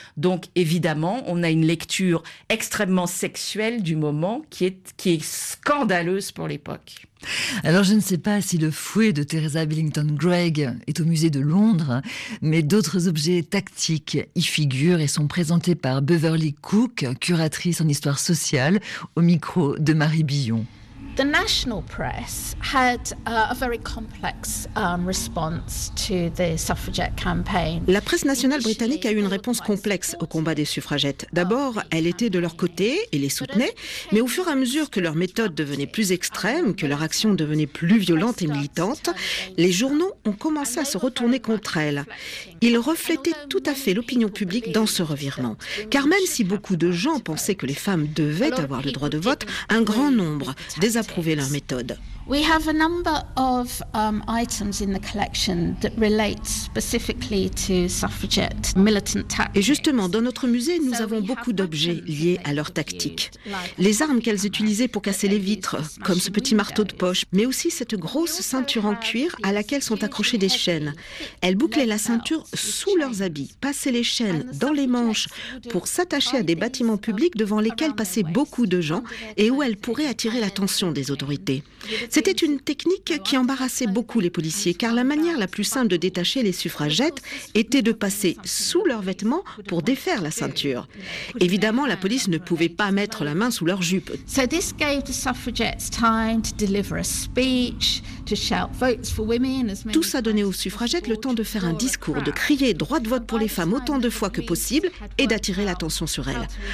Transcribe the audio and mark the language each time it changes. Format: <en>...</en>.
<fr>Donc, évidemment, on a une lecture extrêmement sexuelle du moment qui est scandaleuse pour l'époque. Alors, je ne sais pas si le fouet de Teresa Billington Greig est au musée de Londres, mais d'autres objets tactiques y figurent et sont présentés par Beverly Cook, curatrice en histoire sociale, au micro de Marie Billon.</fr> <en>The national press had a very complex response to the suffragette campaign.</en> <fr>La presse nationale britannique a eu une réponse complexe au combat des suffragettes. D'abord, elle était de leur côté et les soutenait, mais au fur et à mesure que leur méthode devenait plus extrême, que leur action devenait plus violente et militante, les journaux ont commencé à se retourner contre elle. Ils reflétaient tout à fait l'opinion publique dans ce revirement. Car même si beaucoup de gens pensaient que les femmes devaient avoir le droit de vote, un grand nombre des approuver leur méthode.</fr> <en>We have a number of items in the collection that relate specifically to suffragette militant tactics.</en> <fr>Et justement, dans notre musée, nous avons beaucoup d'objets liés à leur tactique. Les armes qu'elles utilisaient pour casser les vitres, comme ce petit marteau de poche, mais aussi cette grosse ceinture en cuir à laquelle sont accrochées des chaînes. Elles bouclaient la ceinture sous leurs habits, passaient les chaînes dans les manches pour s'attacher à des bâtiments publics devant lesquels passaient beaucoup de gens et où elles pourraient attirer l'attention des autorités. C'était une technique qui embarrassait beaucoup les policiers, car la manière la plus simple de détacher les suffragettes était de passer sous leurs vêtements pour défaire la ceinture. Évidemment, la police ne pouvait pas mettre la main sous leur jupe.</fr> <en>So this gave the suffragettes time to deliver a speech, to shout votes for women.</en> <fr>Tout ça donnait aux suffragettes le temps de faire un discours, de crier droit de vote pour les femmes autant de fois que possible et d'attirer l'attention sur elles.</fr>